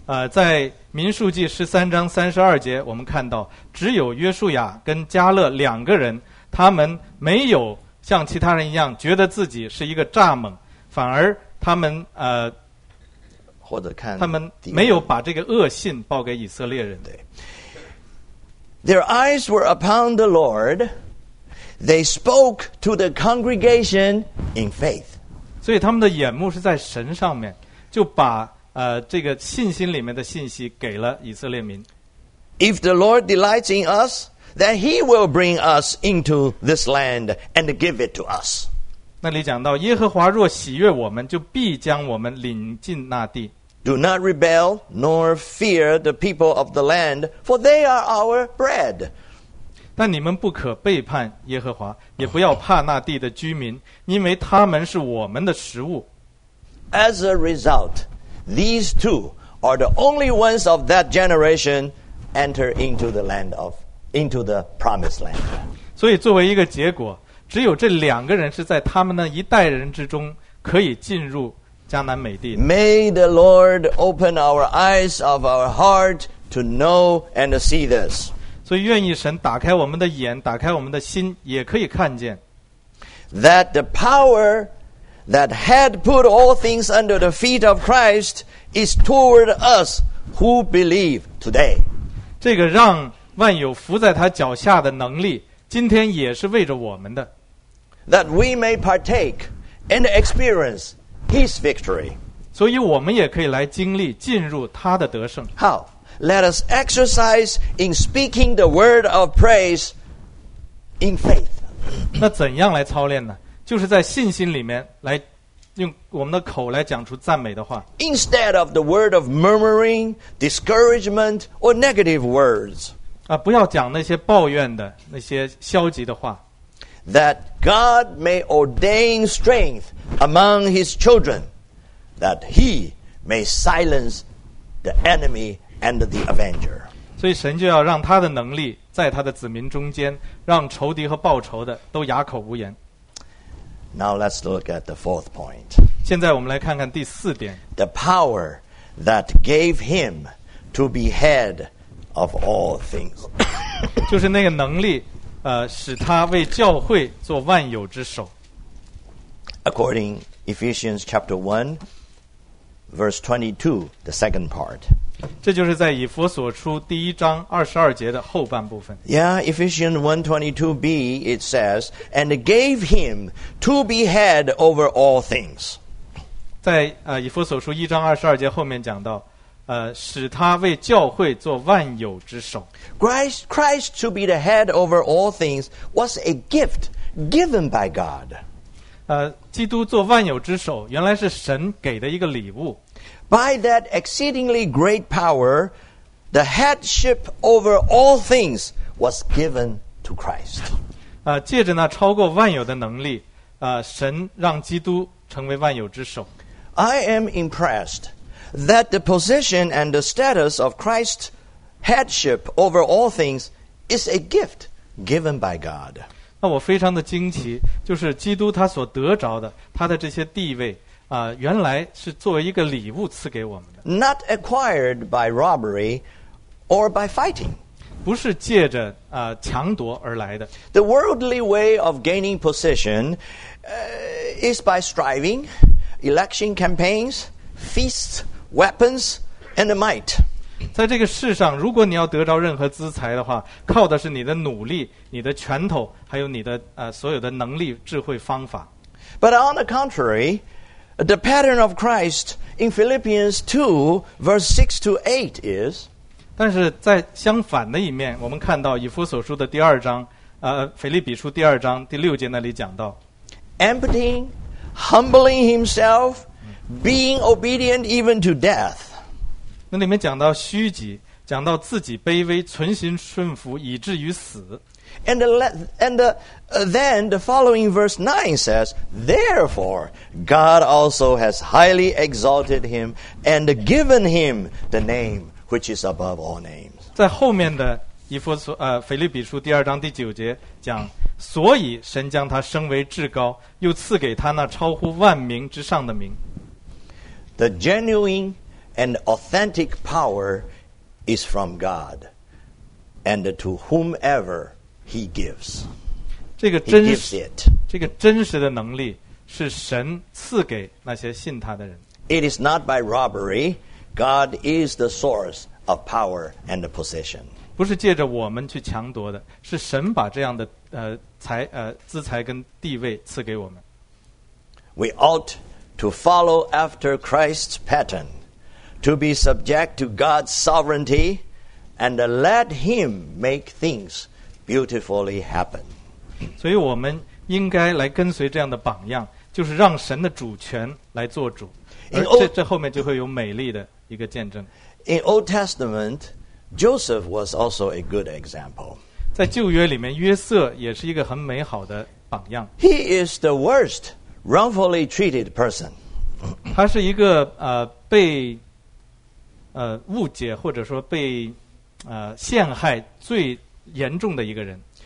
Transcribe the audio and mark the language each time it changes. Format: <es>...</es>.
<zh>在民数记13:32，我们看到只有约书亚跟加勒两个人，他们没有像其他人一样觉得自己是一个蚱蜢，反而他们或者看他们没有把这个恶信报给以色列人。对</zh> <en>，Their eyes were upon the Lord. they spoke to the congregation in faith.</en> <zh>所以他们的眼目是在神上面，就把这个信心里面的信息给了以色列民。</zh> <en>If the Lord delights in us, then He will bring us into this land and give it to us.</en> <zh>那里讲到，耶和华若喜悦我们，就必将我们领进那地。</zh> <en>Do not rebel nor fear the people of the land, for they are our bread.</en> <zh>但你们不可背叛耶和华，也不要怕那地的居民，因为他们是我们的食物。</zh> <en>As a result, these two are the only ones of that generation enter into the promised land.</en> <zh>所以作为一个结果，只有这两个人是在他们那一代人之中可以进入迦南美地。</zh> <en>May the Lord open our eyes of our heart to know and see this.</en> <zh>所以愿意神打开我们的眼，打开我们的心，也可以看见。</zh> <en>That the power that had put all things under the feet of Christ is toward us who believe today.</en> <zh>这个让万有伏在他脚下的能力，今天也是为着我们的。</zh> <en>That we may partake and experience His victory.</en> <zh>所以我们也可以来经历进入他的得胜。</zh> <en>How? Let us exercise in speaking the word of praise in faith.</en> <zh>那怎样来操练呢？就是在信心里面来用我们的口来讲出赞美的话。</zh> <en>Instead of the word of murmuring, discouragement, or negative words.</en> <zh>啊，不要讲那些抱怨的，那些消极的话。</zh> <en>That God may ordain strength among His children, that He may silence the enemy and the avenger.</en> <zh>所以神就要让他的能力在他的子民中间，让仇敌和报仇的都哑口无言。</zh> <en>Now let's look at the fourth point.</en> <zh>现在我们来看看第四点。</zh> <en>The power that gave Him to be head of all things.</en> <zh>就是那个能力使他为教会做万有之首。</zh> <en>According Ephesians chapter 1, verse 22, the second part.</en> <zh>这就是在以弗所书第一章二十二节的后半部分。</zh> <en>Yeah, Ephesians 1:22b, it says, and gave him to be head over all things.</en> <zh>在以弗所书一章二十二节后面讲到，使他为教会做万有之首。</zh> <en>Christ to be the head over all things was a gift given by God.</en> <zh>基督做万有之首，原来是神给的一个礼物。</zh> <en>By that exceedingly great power, the headship over all things was given to Christ.</en> <zh>借着那超过万有的能力，神让基督成为万有之首。</zh> <en>I am impressed. That the position and the status of Christ's headship over all things is a gift given by God.</en> <zh>那我非常的惊奇，就是基督他所得着的，他的这些地位原来是作为一个礼物赐给我们的。</zh> <en>Not acquired by robbery or by fighting.</en> <zh>不是借着强夺而来的。</zh> <en>The worldly way of gaining position is by striving, election campaigns,Feasts, weapons, and might.</en> <zh>在这个世上，如果你要得着任何资财的话，靠的是你的努力、你的拳头，还有你的所有的能力、智慧、方法。</zh> <en>But on the contrary, the pattern of Christ in Philippians 2, verse 6 to 8 is.</en> <zh>但是在相反的一面，我们看到以弗所书的第二章，腓立比书第二章第六节那里讲到</zh> <en>，emptying, humbling himself. Being obedient even to death.</en> <zh>那里面讲到虚己，讲到自己卑微，存心顺服，以至于死。</zh> <en>And then the following verse 9 says, Therefore, God also has highly exalted him and given him the name which is above all names.</en> <zh>在后面的腓立比书第二章第九节讲，所以神将他升为至高，又赐给他那超乎万名之上的名。</zh> <en>The genuine and authentic power is from God, and to whomever He gives.</en> <zh>这个真实</zh> <en>He gives it.</en> <zh>这个真实的能力是神赐给那些信他的人。</zh> <en>It is not by robbery. God is the source of power and possession.</en> <zh>不是借着我们去强夺的，是神把这样的资财跟地位赐给我们。</zh> <en>We ought to follow after Christ's pattern, to be subject to God's sovereignty, and let Him make things beautifully happen.</en> <zh>所以我们应该来跟随这样的榜样，就是让神的主权来做主，而这后面就会有美丽的一个见证。</zh> <en>In Old Testament, Joseph was also a good example.</en> <zh>在旧约里面，约瑟也是一个很美好的榜样。</zh> <en>He is the worst wrongfully treated person.</en> <zh>他是一个被误解或者说被陷害最严重的一个人。</zh>